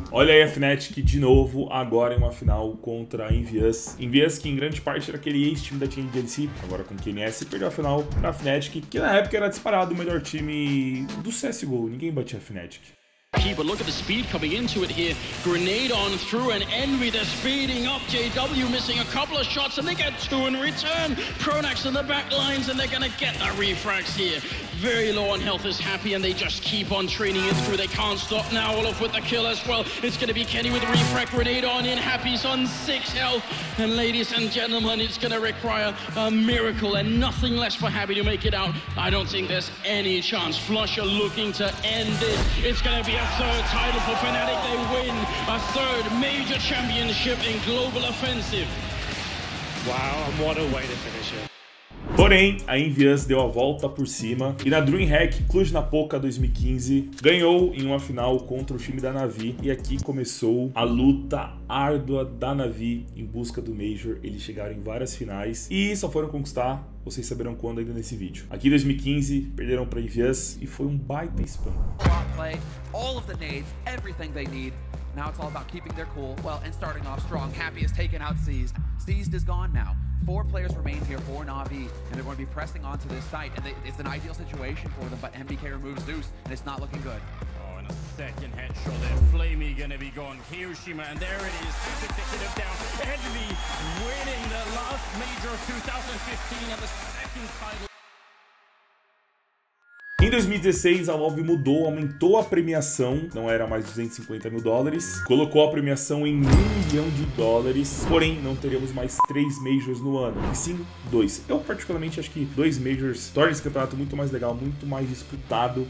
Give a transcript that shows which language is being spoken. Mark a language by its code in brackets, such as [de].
[pt] Olha aí a Fnatic de novo, agora em uma final contra a Envious. Envious que em grande parte era aquele ex-time da Team DLC, agora com o QNS, e perdeu a final pra Fnatic, que na época era disparado o melhor time do CSGO. Ninguém batia a Fnatic. [en] But look at the speed coming into it here. Grenade on through and Envy, they're speeding up. JW missing a couple of shots and they get two in return. Pronax in the back lines and they're gonna get that refrax here. Very low on health is Happy and they just keep on training it through. They can't stop now. Olaf with the kill as well. It's gonna be Kenny with the refrax. Grenade on in. Happy's on 6 health. And ladies and gentlemen, it's gonna require a miracle and nothing less for Happy to make it out. I don't think there's any chance. Flusher looking to end this. It's gonna be a third title for Fnatic. They win a third major championship in Global Offensive. Wow, and what a way to finish it. [pt] Porém, a Envious deu a volta por cima e na DreamHack Cluj-Napoca 2015 ganhou em uma final contra o time da Navi. E aqui começou a luta árdua da Navi em busca do Major. Eles chegaram em várias finais e só foram conquistar, vocês saberão quando ainda nesse vídeo. Aqui em 2015, perderam para a Envious e foi um baita espanco. [en] Four players remain here for Na'Vi, and they're going to be pressing onto this site, and it's an ideal situation for them, but MBK removes Zeus, and it's not looking good. Oh, and a second headshot there. Flamey gonna be gone. Hiroshima, and there it is. Consecutive down. Edley winning the last major of 2015 and the second title. [pt] Em 2016, a Valve mudou, aumentou a premiação, não era mais 250 mil dólares, colocou a premiação em 1 milhão de dólares, porém, não teríamos mais 3 majors no ano, e sim, 2. Eu, particularmente, acho que 2 majors torna esse campeonato muito mais legal, muito mais disputado.